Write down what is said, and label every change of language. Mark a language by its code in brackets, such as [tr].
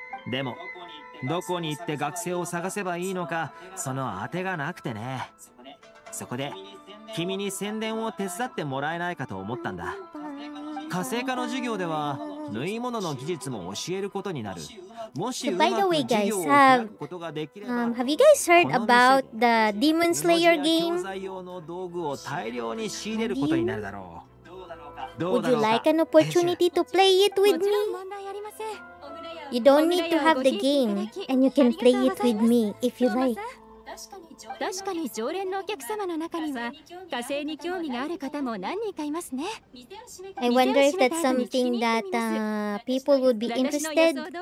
[ja] でもどこに行って学生を探せばいいのかその当てがなくてね。そこで君に宣伝を手伝ってもらえないかと思ったんだ。火星科の授業では縫い物の技術も教えることになる。もしうまく授業を開くことができれば、 [en] Have you guys heard about the Demon Slayer game? [ja] 布地や教材用の道具を大量に仕入れることになるだろう。 [en] Would you like an opportunity to play it with me? You don't need to have the game, and you can play it with me if you like. [ja] 確かに常連のお客様の中には火星に興味がある方も何人かいますね。 [en] I wonder if that's something that people would be interested.